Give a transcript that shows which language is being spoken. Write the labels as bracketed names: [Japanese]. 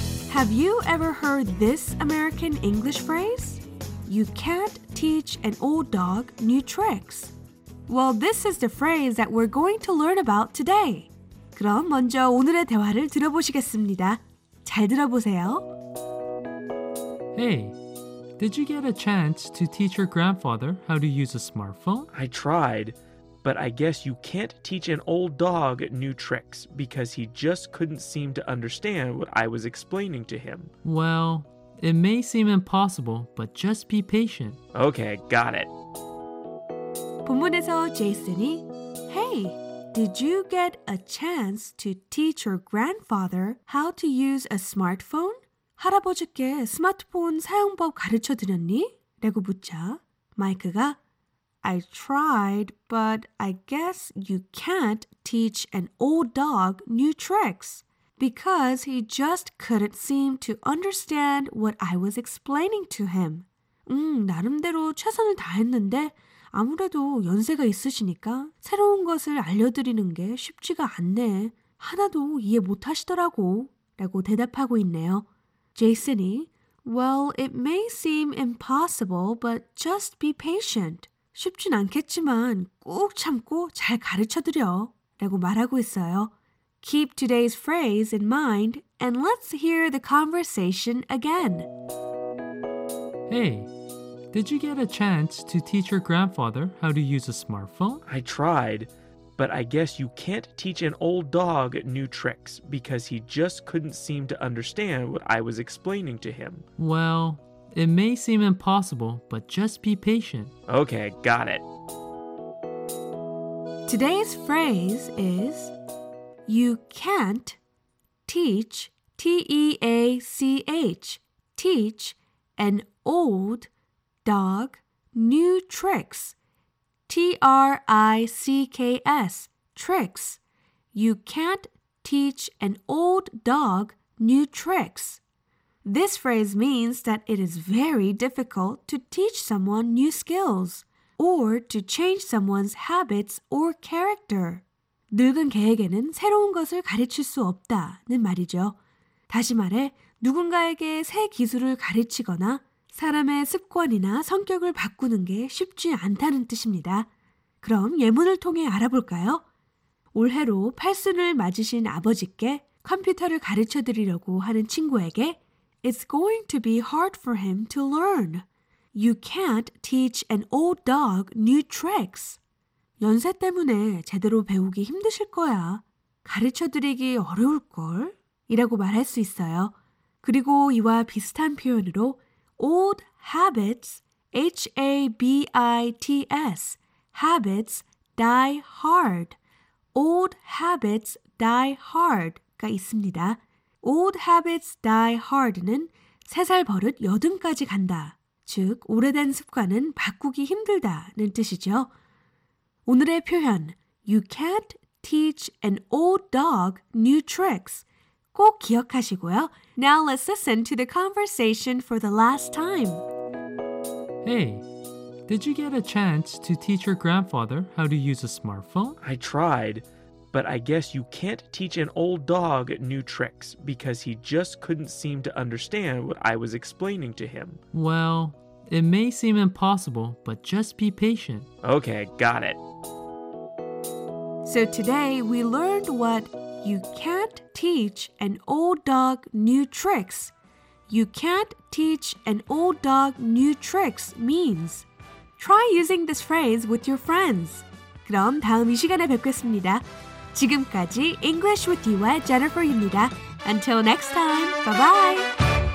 [English] Have you ever heard this American English phrase? You can't teach an old dog new tricks. Well, this is the phrase that we're going to learn about today. [Korean] 그럼 먼저 오늘의 대화를 들어보시겠습니다. 잘 들어보세요. [English] Hey, did you get a chance to teach your grandfather how to use a smartphone? I tried, but I guess you can't teach an old dog new tricks because he just couldn't seem to understand what I was explaining to him. Well, it may seem impossible, but just be patient. Okay, got it. [Korean] 본문에서 제이슨이 [English] Hey, did you get a chance to teach your grandfather how to use a smartphone? [Korean] 할아버지께 스마트폰 사용법 가르쳐 드렸니? 라고 묻자 마이크가 [English] I tried, but I guess you can't teach an old dog new tricks because he just couldn't seem to understand what I was explaining to him. [Korean] 나름대로 최선을 다했는데 아무래도 연세가 있으시니까 새로운 것을 알려드리는 게 쉽지가 않네. 하나도 이해 못 하시더라고 라고 대답하고 있네요. [English] 제이슨이 Well, it may seem impossible, but just be patient. [Korean] 쉽진 않겠지만 꼭 참고 잘 가르쳐드려 라고 말하고 있어요. [English] Keep today's phrase in mind and let's hear the conversation again. Hey, did you get a chance to teach your grandfather how to use a smartphone? I tried, but I guess you can't teach an old dog new tricks because he just couldn't seem to understand what I was explaining to him. Well, it may seem impossible, but just be patient. Okay, got it. Today's phrase is You can't teach, T-E-A-C-H, teach an old dog new tricks, T-R-I-C-K-S, tricks. You can't teach an old dog new tricks. This phrase means that it is very difficult to teach someone new skills or to change someone's habits or character. [Korean] 늙은 개에게는 새로운 것을 가르칠 수 없다는 말이죠. 다시 말해, 누군가에게 새 기술을 가르치거나 사람의 습관이나 성격을 바꾸는 게 쉽지 않다는 뜻입니다. 그럼 예문을 통해 알아볼까요? 올해로 팔순을 맞으신 아버지께 컴퓨터를 가르쳐드리려고 하는 친구에게 [English] It's going to be hard for him to learn. You can't teach an old dog new tricks. [Korean] 연세 때문에 제대로 배우기 힘드실 거야. 가르쳐드리기 어려울걸? 이라고 말할 수 있어요. 그리고 이와 비슷한 표현으로 [English] Old habits, H-A-B-I-T-S, habits die hard. Old habits die hard가 [Korean] 있습니다. [English] Old habits die hard [Korean] 는 3살 버릇 80까지 간다. 즉, 오래된 습관은 바꾸기 힘들다는 뜻이죠. 오늘의 표현, [English] You can't teach an old dog new tricks. [Korean] 꼭 기억하시고요. [English] Now let's listen to the conversation for the last time. Hey, did you get a chance to teach your grandfather how to use a smartphone? I tried, but I guess you can't teach an old dog new tricks because he just couldn't seem to understand what I was explaining to him. Well, it may seem impossible, but just be patient. Okay, got it. So today we learned what You can't teach an old dog new tricks. You can't teach an old dog new tricks means. Try using this phrase with your friends. [Korean] 그럼 다음 이 시간에 뵙겠습니다. 지금까지 English with you의 Jennifer입니다. [English] Until next time, bye-bye.